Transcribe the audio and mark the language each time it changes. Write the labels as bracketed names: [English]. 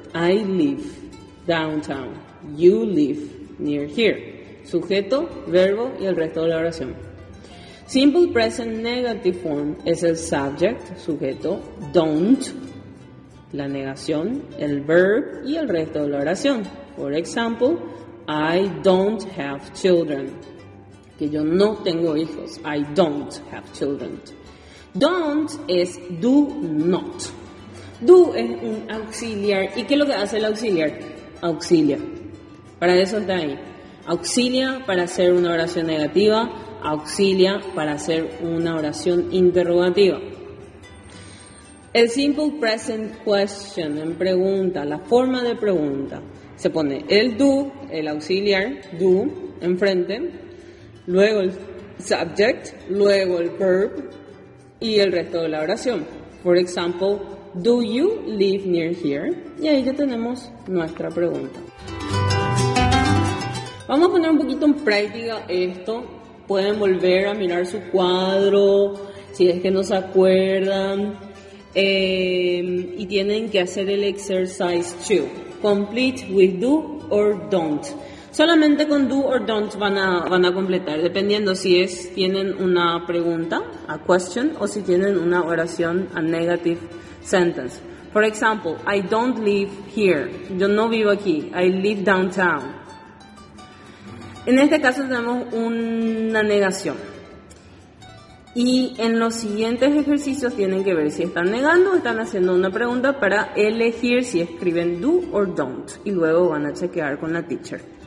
[English] I live downtown. You live near here. [Spanish] Sujeto, verbo y el resto de la oración. Simple present negative form es el subject, sujeto, don't, la negación, el verb y el resto de la oración. [English] For example, I don't have children. [Spanish] Que yo no tengo hijos. [English] I don't have children. [Spanish] Don't es do not. Do es un auxiliar. ¿Y qué es lo que hace el auxiliar? Auxilia. Para eso está ahí. Auxilia para hacer una oración negativa. Auxilia para hacer una oración interrogativa. El simple present question, en pregunta, la forma de pregunta. Se pone el do, el auxiliar, do, enfrente. Luego el subject, luego el verb y el resto de la oración. [English] For example, do you live near here? [Spanish] Y ahí ya tenemos nuestra pregunta. Vamos a poner un poquito en práctica esto. Pueden volver a mirar su cuadro, si es que no se acuerdan. Y tienen que hacer el exercise 2. [English] Complete with do or don't. [Spanish] Solamente con [English] do or don't [Spanish] van a completar, dependiendo si es tienen una pregunta, [English] a question, [Spanish] o si tienen una oración, [English] a negative sentence. For example, I don't live here. [Spanish] Yo no vivo aquí. [English] I live downtown. [Spanish] En este caso tenemos una negación. Y en los siguientes ejercicios tienen que ver si están negando o están haciendo una pregunta para elegir si escriben do or don't. Y luego van a chequear con la teacher.